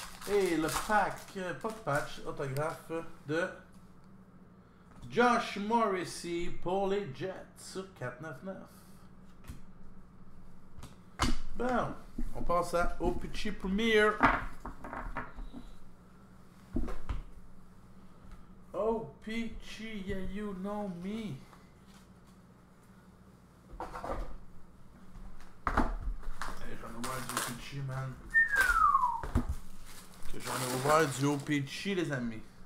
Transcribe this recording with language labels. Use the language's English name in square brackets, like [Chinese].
[French] Et le pack, pas de patch, autographe de Josh Morrissey pour les Jets sur 499. Bon, on passe à OPG Premier. [English] Oh, Peachy, yeah, you know me. [French] Hey, j'en ai ouvert du Peachy, man. Que j'en ai ouvert du OPG, les amis.